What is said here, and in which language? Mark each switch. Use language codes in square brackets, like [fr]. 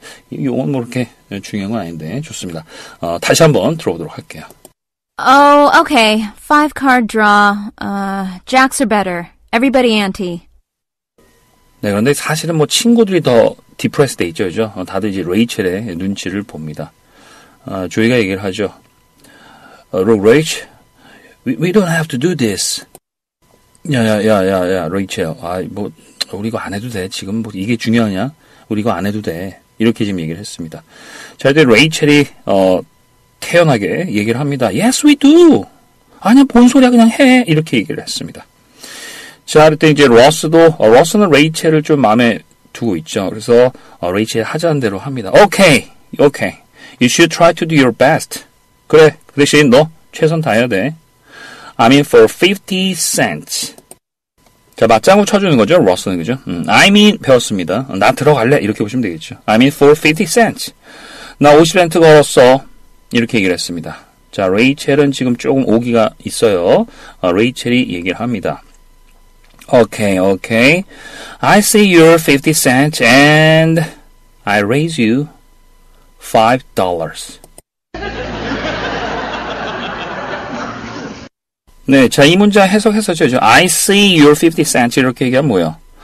[ko] 이건 뭐 그렇게 중요한 건 아닌데 좋습니다. 다시 한번 들어보도록 할게요. [en] Oh, okay. Five card draw. Jacks are better. Everybody ante. [ko] 네, 그런데 사실은 뭐 친구들이 더 depressed 돼 있죠. 다들 이제 레이첼의 눈치를 봅니다. 조이가 얘기를 하죠. [en] Look, Rachel, we don't have to do this. [ko] 야, Rachel, 아, 뭐, 우리 이거 안 해도 돼. 지금 뭐 이게 중요하냐? 우리 이거 안 해도 돼. 이렇게 지금 얘기를 했습니다. 자, 이제 레이첼이 태연하게 얘기를 합니다. [en] Yes, we do. [ko] 아니야, 뭔 소리야, 그냥 해. 이렇게 얘기를 했습니다. 자, 그때 이제 로스도 로스는 레이첼을 좀 마음에 두고 있죠. 그래서 레이첼 하자는 대로 합니다. [en] Okay, okay. You should try to do your best. [ko] 그래, 그 대신 너 최선 다해야 돼. [en] I mean for 50 cents. [ko] 자, 맞장구 쳐주는 거죠, 로스는, 그죠? I mean, 배웠습니다. 나 들어갈래? 이렇게 보시면 되겠죠. [en] I mean for 50 cents. [ko] 나 50센트 걸었어. 이렇게 얘기를 했습니다. 자, 레이첼은 지금 조금 오기가 있어요. 레이첼이 얘기를 합니다. [en] Okay, okay. I see your 50 cents and I raise you $5. [ko] 네, 자, 이 문장 해석했었죠. [en] I see your 50 cents. [ko] 이렇게 얘기하면 뭐예요?